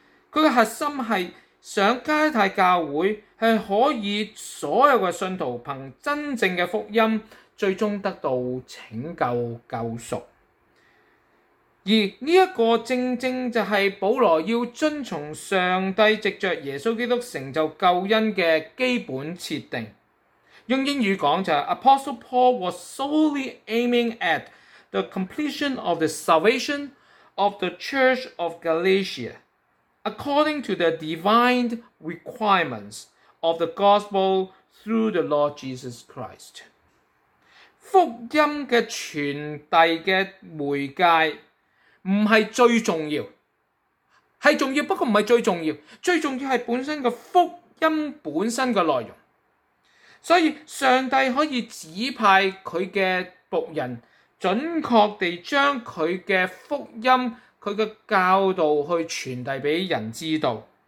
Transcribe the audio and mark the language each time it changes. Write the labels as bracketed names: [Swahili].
[Chinese] 他的核心是想加拉太教会是可以所有的信徒凭真正的福音最终得到拯救救赎。而这个正正就是保罗要遵从上帝藉着耶稣基督成就救恩的基本设定。用英语讲就是 [English] Apostle Paul was solely aiming at the completion of the salvation of the Church of Galatia according to the divine requirements of the gospel through the Lord Jesus Christ。 [Chinese] 福音的传递的媒介不是最重要，是重要，不过不是最重要，最重要是本身的福音本身的内容。所以上帝可以指派他的仆人准确地将他的福音、他的教导去传递给人知道。